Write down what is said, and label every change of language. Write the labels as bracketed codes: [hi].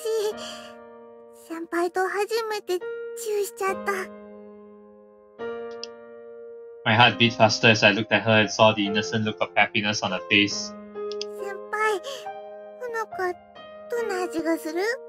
[ja] 先輩と初めてチューしちゃった。 [en] My heart beat faster as I looked at her and saw the innocent look of happiness on her face. [ja] 先輩、ホノカ、どんな味がする？